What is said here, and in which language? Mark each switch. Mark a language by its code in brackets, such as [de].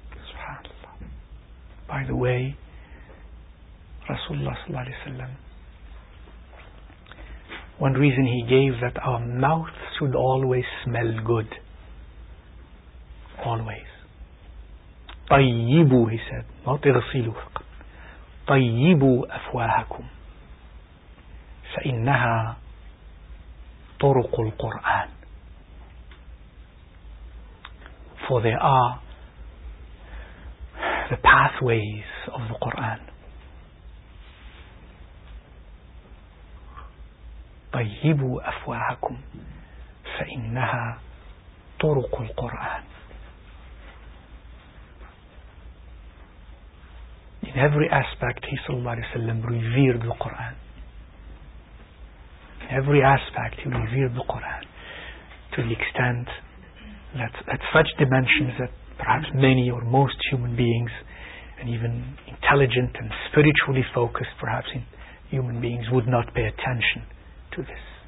[en] Subhanallah. By the way, Rasulullah sallallahu alayhi wa sallam, one reason he gave that our mouth should always smell good. Always. طيبوا, he said, not [ar] اغسلوا فقط. طيبوا أفواهكم فإنها طرق القرآن. [en] For they are the pathways of the Quran. [ar] طيبوا أفواهكم فإنها طرق القرآن. [en] In every aspect, he [ar] صلى الله عليه وسلم [en] revered the Quran. In every aspect, he revered the Quran to the extent that at such dimensions that perhaps many or most human beings, and even intelligent and spiritually focused perhaps in human beings, would not pay attention to this.